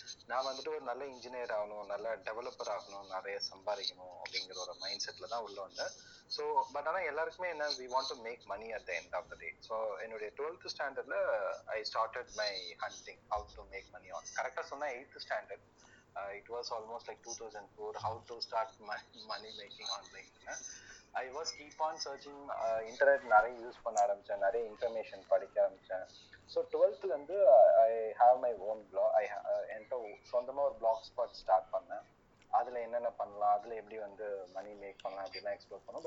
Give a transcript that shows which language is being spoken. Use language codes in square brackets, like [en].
[ta] நான் வந்துட்டு ஒரு நல்ல இன்ஜினியர் ஆகணும், நல்ல டெவலப்பர் ஆகணும், நிறைய சம்பாதிக்கணும் அப்படிங்கிற ஒரு மைண்ட் செட்டில் தான் உள்ளே வந்தேன். [en] so but [ta] ஆனால் எல்லாருக்குமே என்ன, [en] We want to make money at the end of the day. So என்னுடைய 12th ஸ்டாண்டர்டில் I started my hunting how to make money on, [ta] கரெக்டாக சொன்னால் [en] 8th standard. It was almost like 2004, how to start money making online. I was keep on searching, [ta] internet நிறைய use பண்ண ஆரம்பித்தேன், நிறைய information படிக்க ஆரம்பித்தேன். [en] so 12th I have my own blog, I [ta] என்கிட்ட சொந்தமாக ஒரு [en] Blogspot start பண்ணேன். [ta] அதில் என்னென்ன பண்ணலாம், அதில் எப்படி வந்து மணி மேக் பண்ணலாம் அப்படிலாம் எக்ஸ்ப்ளோர் பண்ணோம்.